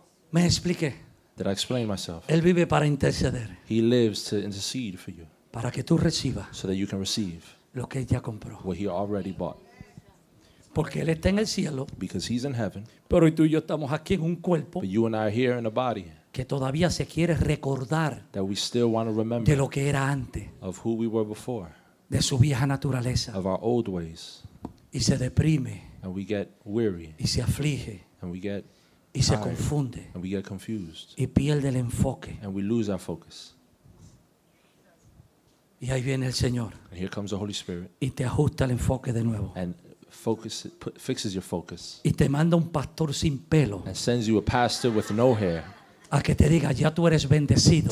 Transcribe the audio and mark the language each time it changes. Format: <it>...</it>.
<es>¿Me expliqué?</es> <en>Did I explain myself?</en> <es>Él vive para interceder.</es> <en>He lives to intercede for you.</en> <es>Para que tú recibas</es> <en>so that you can receive</en> <es>lo que él ya compró.</es> <en>What he already bought.</en> <es>Porque él está en el cielo.</es> <en>Because he's in heaven.</en> <es>Pero tú y yo estamos aquí en un cuerpo.</es> <en>But you and I are here in a body.</en> <es>Que todavía se quiere recordar.</es> <en>That we still want to remember.</en> <es>De lo que era antes.</es> <en>Of who we were before.</en> <es>De su vieja naturaleza.</es> <en>Of our old ways.</en> <es>Y se deprime.</es> <en>And we get weary.</en> <es>Y se aflige.</es> <en>And we get</en> <es>y se confunde.</es> <en>And we get confused.</en> <es>Y pierde el enfoque.</es> <en>And we lose our focus.</en> <es>Y ahí viene el Señor.</es> <en>And here comes the Holy Spirit.</en> <es>Y te ajusta el enfoque de nuevo.</es> <en>And focus fixes your focus.</en> <es>Y te manda un pastor sin pelo.</es> <en>And sends you a pastor with no hair.</en> <es>A que te diga ya tú eres bendecido.</es>